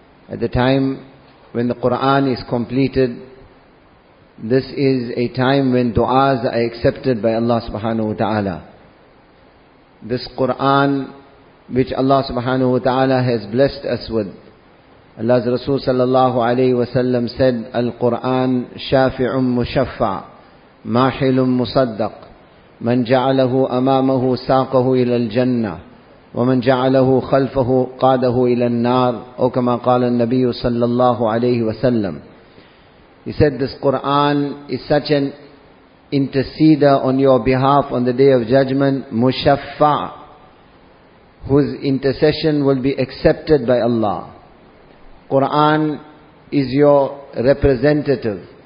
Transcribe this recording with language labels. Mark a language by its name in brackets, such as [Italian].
[English] At the time when the Qur'an is completed, this is a time when du'as are accepted by Allah subhanahu wa ta'ala. [Arabic] This Qur'an which Allah subhanahu wa ta'ala has blessed us with, Allah's Rasul sallallahu alayhi wa sallam said, Al-Qur'an شَافِعٌ مُشَفَّعٌ ماحل مصدق من جعله أمامه ساقه إلى الجنة ومن جعله خلفه قاده إلى النار، أو كما قال النبي صلى الله عليه وسلم. [English] He said, this Quran is such an interceder on your behalf on the day of judgment, mushaffa, whose intercession will be accepted by Allah. Quran is your representative.